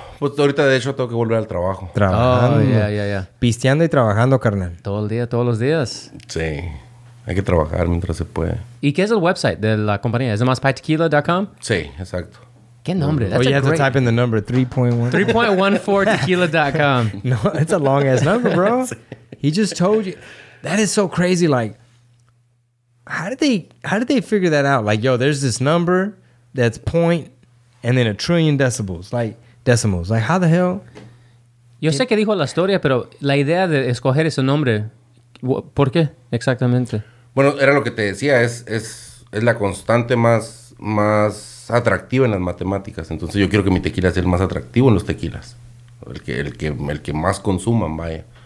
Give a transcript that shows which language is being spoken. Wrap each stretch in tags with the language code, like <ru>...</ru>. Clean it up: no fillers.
<es>Pues ahorita, de hecho, tengo que volver al trabajo. Trabajando.</es> <en>Oh, yeah.</en> <es>Pisteando y trabajando, carnal. Todo el día, todos los días. Sí. Hay que trabajar mientras se puede. ¿Y qué es el website de la compañía? ¿Es maspaitequila.com? Sí, exacto. ¿Qué nombre?</es> <en>That's you have to type in the number, 3.1. 3.14tequila.com. No, it's a long-ass number, bro. He just told you. That is so crazy, like... How did they figure that out? Like, yo, there's this number that's point and then a trillion decibels. Like, decimals. Like, how the hell?</en> <es>Yo sé que dijo la historia, pero la idea de escoger ese nombre, ¿por qué exactamente? Bueno, era lo que te decía. Es la constante más atractiva en las matemáticas. Entonces, yo quiero que mi tequila sea el más atractivo en los tequilas. El que más consuman, vaya.</es>